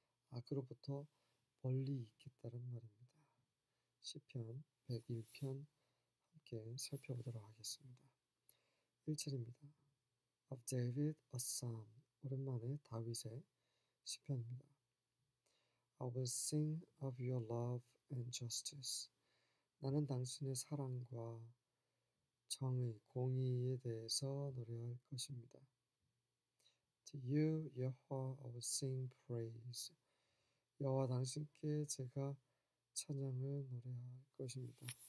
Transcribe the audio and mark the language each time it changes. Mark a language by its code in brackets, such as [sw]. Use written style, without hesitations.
[ko] 악으로부터 멀리 있겠다는 말입니다. 시편 101편 함께 살펴보도록 하겠습니다. 1절입니다. [en] Of David, a psalm. [ko] 오랜만에 다윗의 시편입니다. [en] I will sing of your love and justice. [ko] 나는 당신의 사랑과 정의, 공의에 대해서 노래할 것입니다. [en] To you, Yahweh, I will sing praise. [ko] 여호와 당신께 제가 찬양을 노래할 것입니다.